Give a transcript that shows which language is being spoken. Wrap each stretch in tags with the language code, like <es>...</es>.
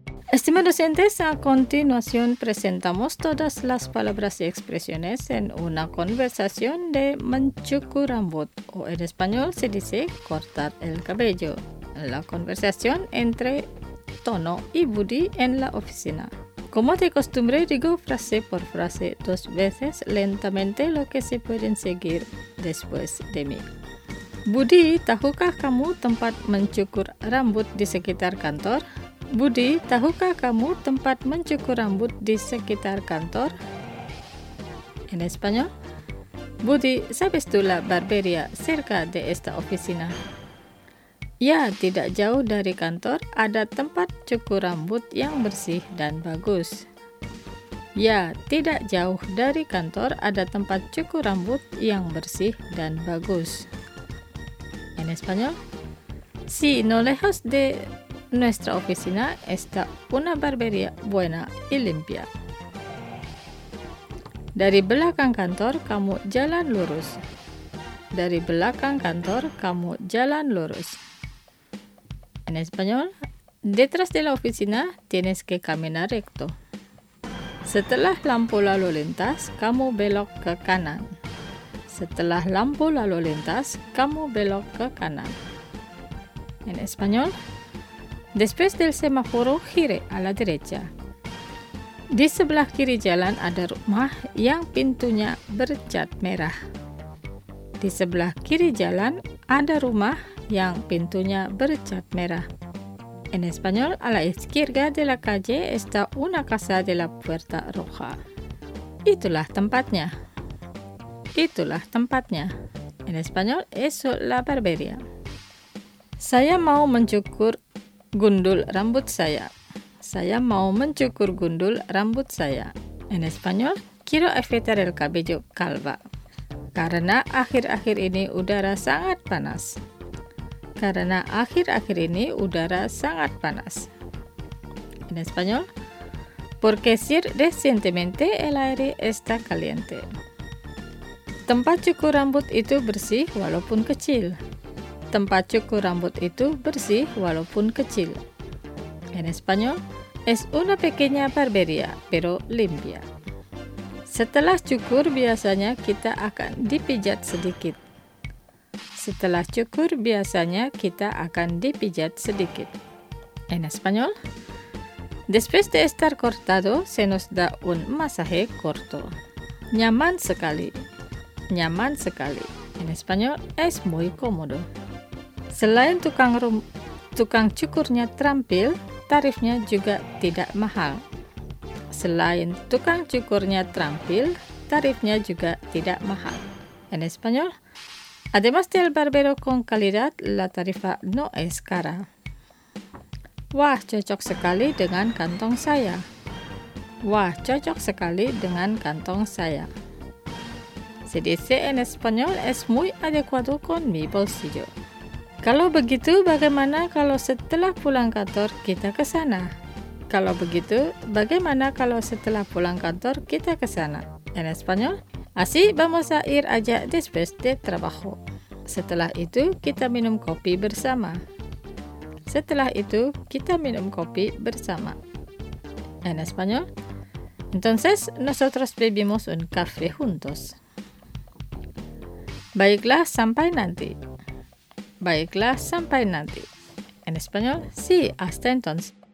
<es>Estimados oyentes, a continuación presentamos todas las palabras y expresiones en una conversación de mencukur rambut, o en español se dice cortar el cabello. La conversación entre Tono y Budi en la oficina. Como de costumbre, digo frase por frase dos veces lentamente lo que se pueden seguir después de mí.</es> <id>Budi, tahukah kamu tempat mencukur rambut di sekitar kantor? Budi, tahukah kamu tempat mencukur rambut di sekitar kantor?</id> <es>En español. Budi, ¿sabes tú la barbería cerca de esta oficina?</es> <id>Ya, tidak jauh dari kantor ada tempat cukur rambut yang bersih dan bagus. Ya, tidak jauh dari kantor ada tempat cukur rambut yang bersih dan bagus.</id> <es>En español. Sí, no lejos de nuestra oficina está una barbería buena y limpia.</es> <id>Dari belakang kantor kamu jalan lurus. Dari belakang kantor kamu jalan lurus.</id> <es>En español, detrás de la oficina tienes que caminar recto.</es> <id>Setelah lampu lalu lintas, kamu belok ke kanan. Setelah lampu lalu lintas, kamu belok ke kanan.</id> <es>En español, después del semáforo gire a la derecha.</es> <id>Di sebelah kiri jalan ada rumah yang pintunya bercat merah. Di sebelah kiri jalan ada rumah yang pintunya bercat merah.</id> <es>En español, a la izquierda de la calle está una casa de la puerta roja.</es> <id>Itulah tempatnya. Itulah tempatnya.</id> <es>En español, eso la barbería.</es> <id>Saya mau mencukur gundul rambut saya. Saya mau mencukur gundul rambut saya.</id> <es>En español, quiero afeitar el cabello calva.</es> <id>Karena akhir-akhir ini udara sangat panas. Karena akhir-akhir ini udara sangat panas.</id> <es>En español, porque si recientemente el aire está caliente.</es> <id>Tempat cukur rambut itu bersih walaupun kecil. Tempat cukur rambut itu bersih walaupun kecil.</id> <es>En español, es una pequeña barbería, pero limpia.</es> <id>Setelah cukur biasanya kita akan dipijat sedikit. Setelah cukur biasanya kita akan dipijat sedikit.</id> <es>En español. Después de estar cortado se nos da un masaje corto.</es> <id>Nyaman sekali. Nyaman sekali.</id> <es>En español es muy cómodo.</es> <id>Selain tukang cukurnya terampil, tarifnya juga tidak mahal. Selain tukang cukurnya terampil, tarifnya juga tidak mahal.</id> <es>En español. Además del barbero con calidad, la tarifa no es cara.</es> <id>Wah, cocok sekali dengan kantong saya. Wah, cocok sekali dengan kantong saya.</id> <es>Se dice en español es muy adecuado con mi bolsillo.</es> <id>Kalau begitu, bagaimana kalau setelah pulang kantor kita ke sana? Kalau begitu, bagaimana kalau setelah pulang kantor kita ke sana?</id> <es>En español, así vamos a ir allá después de trabajo.</es> <id>Setelah itu, kita minum kopi bersama. Setelah itu, kita minum kopi bersama.</id> <es>En español, entonces nosotros bebimos un café juntos.</es> <id>Baiklah, sampai nanti. Baiklah, sampai nanti.</id> <es>En español, sí, hasta entonces.</es>